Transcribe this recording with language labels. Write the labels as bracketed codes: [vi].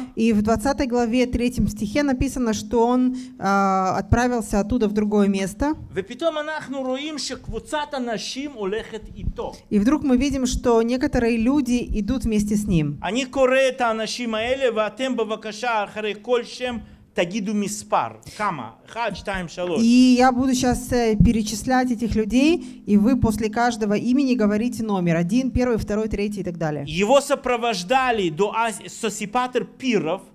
[ru] И в 20 главе 3 стихе написано, что он отправился оттуда в другое место. [he] ופתאום אנחנו רואים שקבוצת אנשים הולכת איתו. [ru] И вдруг мы видим, что некоторые люди идут вместе с ним. [he] אני קורא את האנשים האלה, ואתם בבקשה אחרי כל שם תגידו מספר. כמה? 1, 2, 3. [ru] И я буду сейчас перечислять этих людей, и вы после каждого имени говорите номер. 1, 1, 2, 3 и так далее. Его сопровождали до Сосипатр Пиров.